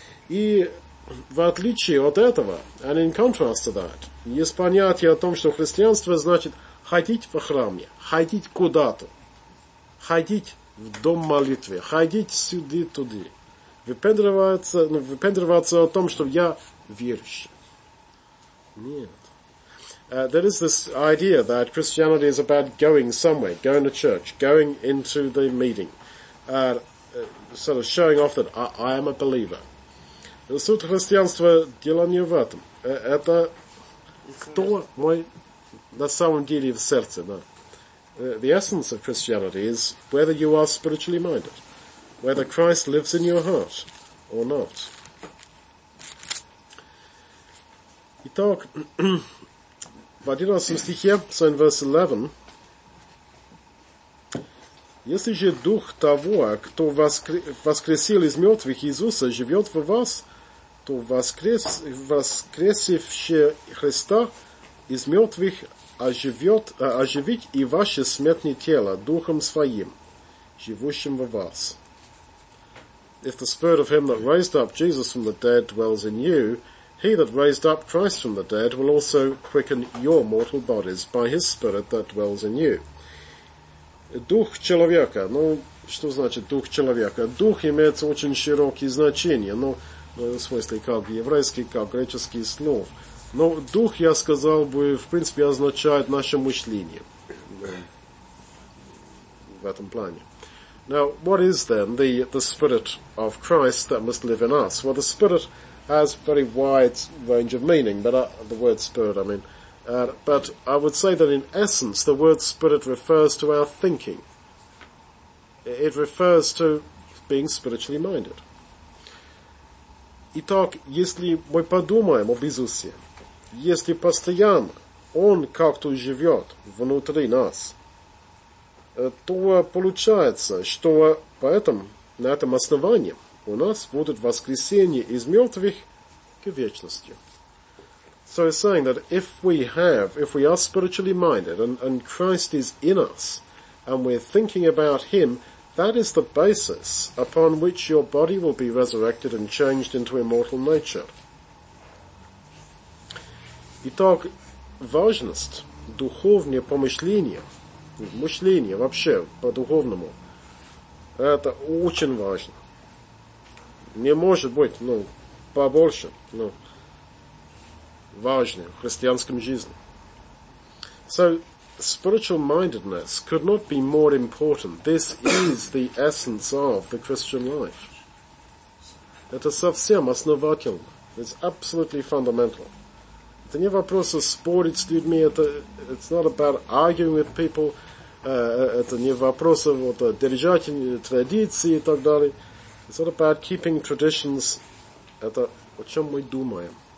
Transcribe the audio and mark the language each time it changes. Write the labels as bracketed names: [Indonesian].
[Russian] И в отличие от этого, [English] and in contrast to that, [Russian] есть понятие о том, что христианство значит ходить в храме, ходить куда-то, ходить в дом молитвы, ходить сюда-туда, выпендриваться о том, что я верующий. Нет. [English] There is this idea that Christianity is about going somewhere, going to church, going into the meeting, sort of showing off that I am a believer. [Russian] Суть христианства дело не в этом. Это кто мой на самом деле в сердце. Да? [English] The essence of Christianity is whether you are spiritually minded, whether Christ lives in your heart or not. [Russian] Итак, в 11 стихе, [English] so in verse 11, [Russian] если же дух того, кто воскресил из мертвых Иисуса, живет в вас, то воскресивший Христа из мертвых оживит и ваше смертное тело Духом Своим, живущим в вас. [English] If the Spirit of Him that raised up Jesus from the dead dwells in you, He that raised up Christ from the dead will also quicken your mortal bodies by His Spirit that dwells in you. [Russian] Дух человека. Ну, что значит Дух человека? Дух имеет очень широкие значения, но в смысле как еврейский, как греческий слов. Но дух, я сказал бы, в принципе, означает наше мышление. В этом плане. [English] Now, what is then the spirit of Christ that must live in us? Well, the spirit has very wide range of meaning, but the word spirit, I mean. But I would say that in essence, the word spirit refers to our thinking. It refers to being spiritually minded. [Russian] Итак, если мы подумаем об Иисусе, если постоянно Он как-то живет внутри нас, то получается, что на этом основании у нас будет воскресение из мертвых к вечности. [English] So he's saying that if we are spiritually minded and Christ is in us and we're thinking about Him, that is the basis upon which your body will be resurrected and changed into immortal nature. [Russian] Итак, важность духовного помышления, мышления вообще по-духовному, это очень важно. Не может быть, ну, побольше, ну, важнее в христианском жизни. [English] So, spiritual mindedness could not be more important. This is the essence of the Christian life. [Russian] Это совсем основательно. [English] It's absolutely fundamental. [Russian] Это не вопрос спорить с людьми. [English] It's not about arguing with people. [Russian] Это не вопрос держать традиции и так далее. [English] It's not about keeping traditions. [Russian] Это о чем мы думаем.